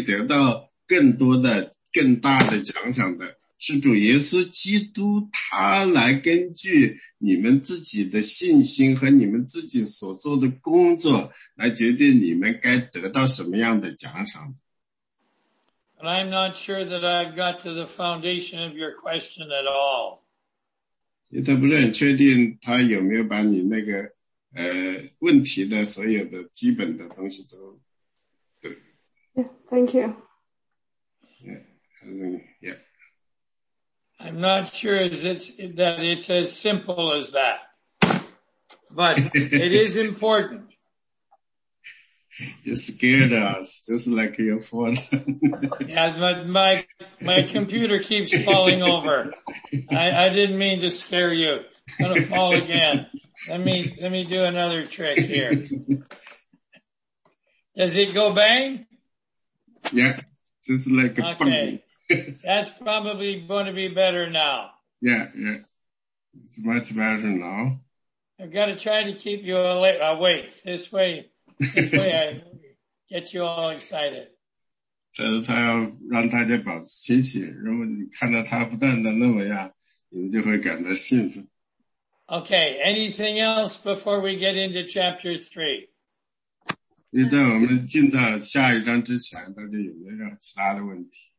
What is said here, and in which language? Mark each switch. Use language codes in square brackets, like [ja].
[zh] 所以对我们来说是很难去知道我们谁会得到更多的。更大的奖赏的是主耶稣基督，他来根据你们自己的信心和你们自己所做的工作来决定你们该得到什么样的奖赏。 [en] But I'm not sure that I've got to the foundation of your question at all. [zh] 他不是很确定他有没有把你那个问题的所有的基本的东西都。 [en] Thank you. Yeah. I'm not sure that it's as simple as that, but it is important. You scared us, just like your phone. Yeah, but my computer keeps falling over. I didn't mean to scare you. It's going to fall again. Let me do another trick here. Does it go bang? Yeah, just like a okay. Bang. That's probably going to be better now. Yeah. It's much better now. I've got to try to keep you awake. This way I get you all excited. [zh] 他要让大家保持清醒，如果你看到他不断的那么样, 你就会感到幸福。 [en] Okay, anything else before we get into chapter 3? [zh] 你在我们进到下一章之前，到底有没有其他的问题？